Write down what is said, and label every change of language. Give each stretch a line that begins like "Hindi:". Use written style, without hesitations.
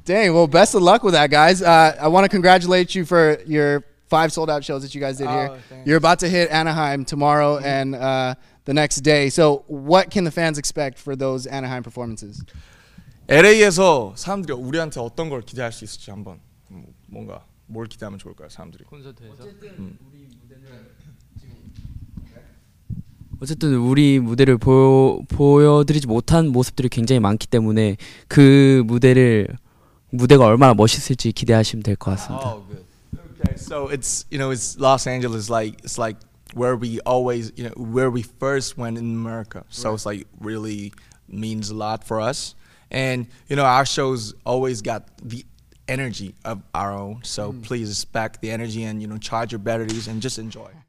English: Dang, well, best of luck with that, guys. I want to congratulate you for your 5 sold out shows that you guys did here. Thanks. You're about to hit Anaheim tomorrow and the next day. So what can the fans expect for those Anaheim performances?
Korean: LA에서 사람들이 우리한테 어떤 걸 기대할 수 있을지 한번 뭔가 뭘 기대하면 좋을까요, 사람들이? 어쨌든 우리 무대를 보여드리지 못한 모습들이 굉장히 많기 때문에 그 무대가 얼마나 멋있을지 기대하시면 될 것 같습니다.
English: Okay, so it's, you know, it's Los Angeles, like it's like where we always, you know, where we first went in America. So right, it's like really means a lot for us. And you know, our shows always got the energy of our own. So please expect the energy and, you know, charge your batteries and just enjoy.